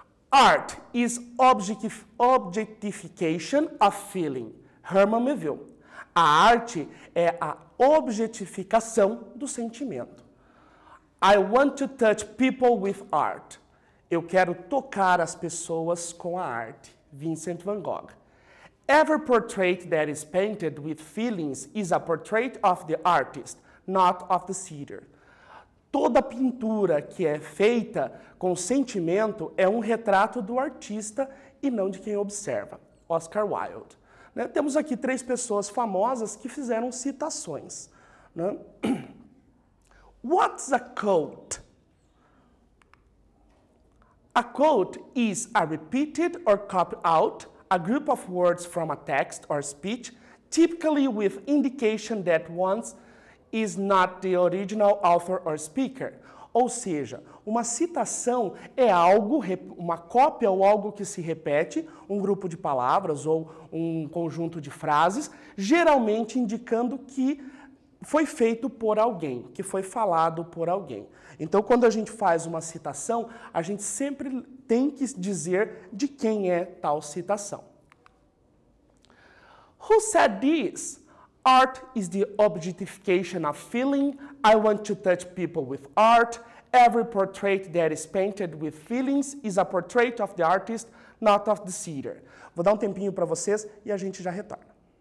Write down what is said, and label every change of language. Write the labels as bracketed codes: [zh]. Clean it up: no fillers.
[en] Art is objectification of feeling, Herman Melville. [pt] A arte é a objetificação do sentimento. [en] I want to touch people with art. [pt] Eu quero tocar as pessoas com a arte, Vincent van Gogh. [en] Every portrait that is painted with feelings is a portrait of the artist, not of the sitter. [pt] Toda pintura que é feita com sentimento é um retrato do artista e não de quem observa. Oscar Wilde. Né? Temos aqui três pessoas famosas que fizeram citações. [en] Né? What's a coat? A coat is a repeated or copied out, a group of words from a text or speech, typically with indication that one is not the original author or speaker. [pt] Ou seja, uma citação é algo, uma cópia ou algo que se repete, um grupo de palavras ou um conjunto de frases, geralmente indicando que foi feito por alguém, que foi falado por alguém. Então, quando a gente faz uma citação, a gente sempre tem que dizer de quem é tal citação. [en] Who said this? Art is the objectification of feeling. I want to touch people with art. Every portrait that is painted with feelings is a portrait of the artist, not of the sitter. [pt] Vou dar um tempinho para vocês e a gente já retorna.